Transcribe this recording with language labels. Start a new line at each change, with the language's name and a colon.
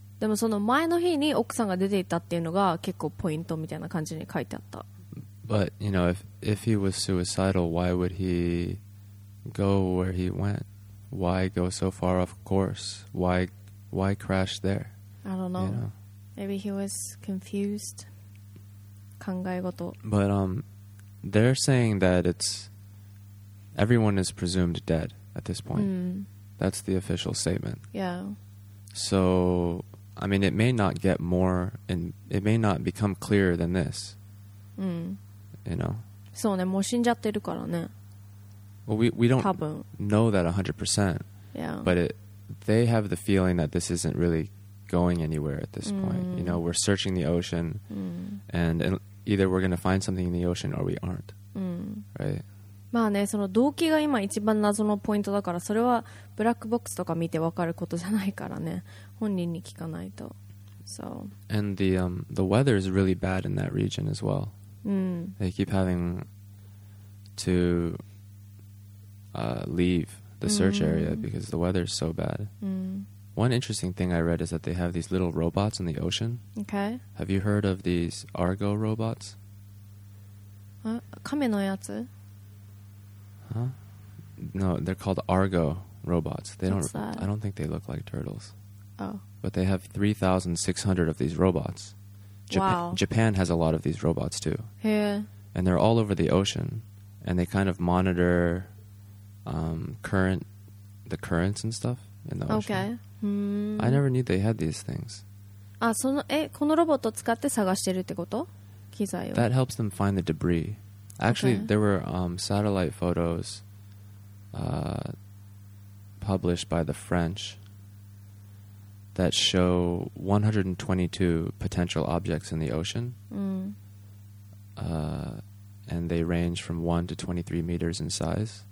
Japanese: でもその前の日に奥さんが出て行ったっていうのが結構ポイントみたいな感じに書いてあった。
English: But you know, if he was suicidal, why would he go where he went? Why go so far off course? Why crash there? I don't know. You know? Maybe he was confused.
Japanese: 考え事.
English: But they're saying that everyone is presumed dead at this point. That's the official statement. Yeah. So I mean, it may not get more, and it may not become clearer than this. You know.
Japanese: そうね、もう死んじゃってるからね。
English: Well, we don't know that 100%. Yeah. But they have the feeling that this isn't really going anywhere at this point. You know, we're searching the ocean, and either we're going to find something in the ocean or we aren't. Right.
Japanese: まあね、その動機が今一番謎のポイントだから、それはブラックボックスとか見てわかることじゃないからね。本人に聞かないと。So.
English: And the weather is really bad in that region as well. They keep having to leave the search area because the weather is so bad. One interesting thing I read is that they have these little robots in the ocean. Okay. Have you heard of these Argo robots?
Japanese: Kame no yatsu?
English: Huh? No, they're called Argo robots. What's that? I don't think they look like turtles. Oh. But they have 3,600 of these robots. Japan has a lot of these robots too. Yeah. And they're all over the ocean, and they kind of monitor the currents and stuff in the ocean. Okay. I never knew they had these things.
Japanese: このロボットを使って探してるってこと? 機材を。
English: That helps them find the debris. Actually, okay. There were satellite photos published by the French that show 122 potential objects in the ocean. And they range from 1 to 23 meters in size.